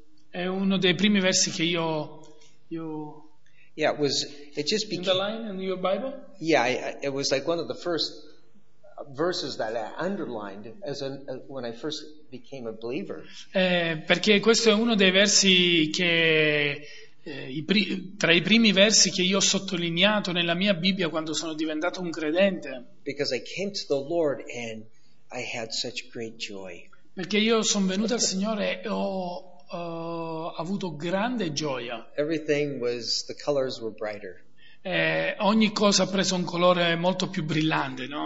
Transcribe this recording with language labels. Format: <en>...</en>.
<it>È uno dei primi versi che io</it> <en>yeah, it was it just became underlined in your Bible? Yeah, it was like one of the first verses that I underlined as when I first became a believer.</en> <it>Perché questo è uno dei versi che tra i primi versi che io ho sottolineato nella mia Bibbia quando sono diventato un credente.</it> <en>Because I came to the Lord and I had such great joy.</en> <it>Perché io sono venuto al Signore e ho avuto grande gioia.</it> <en>Everything was the colors were brighter.</en> <it>Ogni cosa ha preso un colore molto più brillante, no?</it>